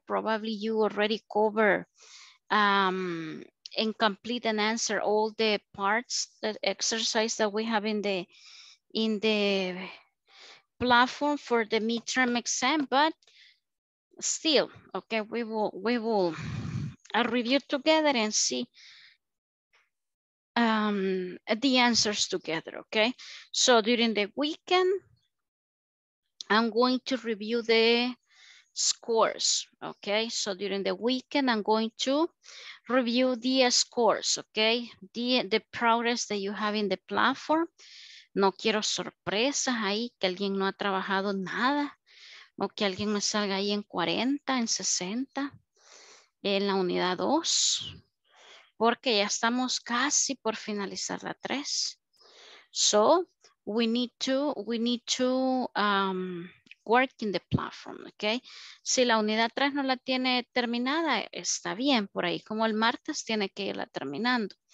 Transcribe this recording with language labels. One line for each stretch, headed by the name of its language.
English: Probably you already cover and complete and answer all the parts, the exercise that we have in the platform for the midterm exam, but still, okay, we will review together and see the answers together, okay? So during the weekend, I'm going to review the scores, okay? So during the weekend, I'm going to review the scores, okay? The progress that you have in the platform.
Spanish: No quiero sorpresas ahí, que alguien no ha trabajado nada, o que alguien me salga ahí en 40, en 60, en la unidad 2, porque ya estamos casi por finalizar la 3.
English: So, we need to work in the platform, okay?
Spanish: Si la unidad 3 no la tiene terminada, está bien, por ahí como el martes tiene que irla terminando.